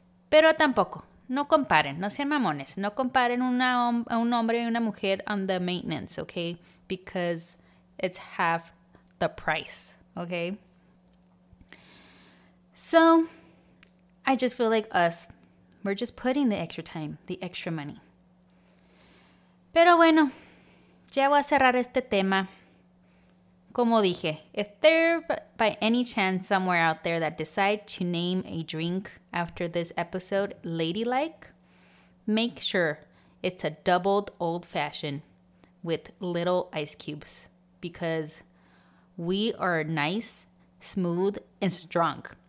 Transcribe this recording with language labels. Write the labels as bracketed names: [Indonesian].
[Spanish] Pero tampoco. No comparen. No sean mamones. No comparen un hombre y una mujer [English] on the maintenance, okay? Because it's half the price, okay? So I just feel like us, we're just putting the extra time, the extra money. [Spanish] Pero bueno, ya voy a cerrar este tema. Como dije, [English] if there by any chance somewhere out there that decide to name a drink after this episode ladylike, make sure it's a doubled old-fashioned with little ice cubes because we are nice, smooth, and strong.